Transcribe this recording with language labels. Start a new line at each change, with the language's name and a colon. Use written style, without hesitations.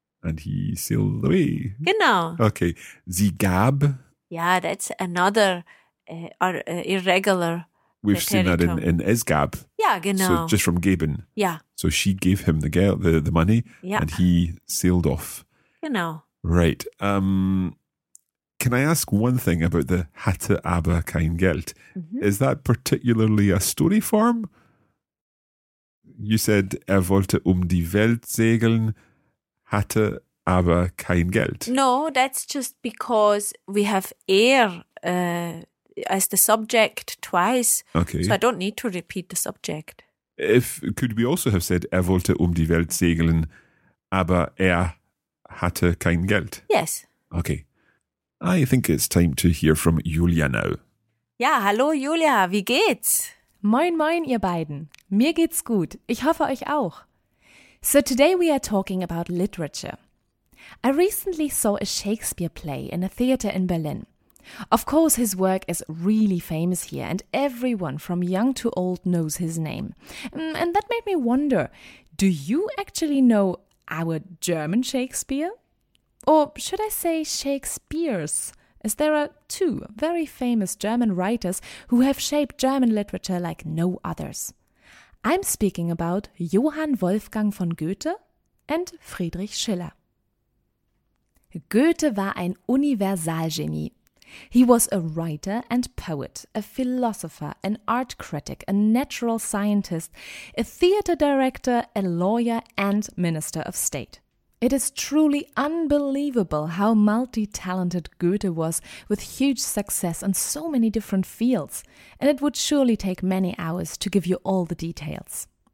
English: And he sailed away.
German: Genau. Okay. Sie gab.
English: Yeah, that's another irregular. We've seen that in
German: Es gab.
English: Yeah,
German: genau.
English: So just from geben. Yeah. So she gave him the money. Yeah. And he sailed off.
German: Genau.
English: Right. Can I ask one thing about the
German: hatte aber kein Geld?
English: Mm-hmm. Is that particularly a story form? You said
German: wollte die Welt segeln, hatte aber kein Geld.
English: No, that's just because we have as the subject twice. Okay. So I don't need to repeat the subject. Could we also have said
German: wollte die Welt segeln, aber hatte kein Geld?
English: Yes. Okay. I think it's time to hear from Julia now.
German: Ja, hallo Julia, wie geht's? Moin moin ihr beiden. Mir geht's gut. Ich hoffe euch auch.
English: So today we are talking about literature. I recently saw a Shakespeare play in a theater in Berlin. Of course his work is really famous here and everyone from young to old knows his name. And that made me wonder, do you actually know our German Shakespeare? Or should I say Shakespeare's? As there are two very famous German writers who have shaped German literature like no others. I'm speaking about Johann Wolfgang von Goethe and Friedrich Schiller.
German: Goethe war ein Universalgenie.
English: He was a writer and poet, a philosopher, an art critic, a natural scientist, a theater director, a lawyer and minister of state. It is truly unbelievable how multi-talented Goethe was, with huge success in so many different fields, and it would surely take many hours to give you all the details.